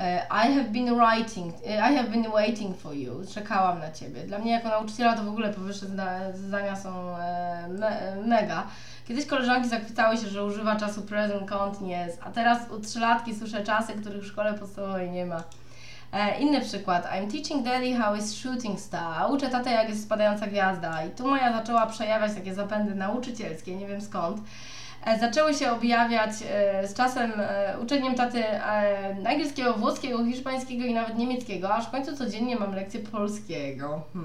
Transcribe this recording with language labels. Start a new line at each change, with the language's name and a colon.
English: I have been waiting for you,
Polish: czekałam na ciebie. Dla mnie jako nauczyciela to w ogóle powyższe zdania są mega. Kiedyś koleżanki zachwycały się, że używa czasu present continuous, a teraz u trzylatki słyszę czasy, których w szkole podstawowej nie ma. Inny przykład.
English: I'm teaching daddy how is shooting star.
Polish: Uczę tatę, jak jest spadająca gwiazda. I tu Maja zaczęła przejawiać takie zapędy nauczycielskie, nie wiem skąd. Zaczęły się objawiać z czasem uczeniem taty angielskiego, włoskiego, hiszpańskiego i nawet niemieckiego, aż w końcu codziennie mam lekcję polskiego.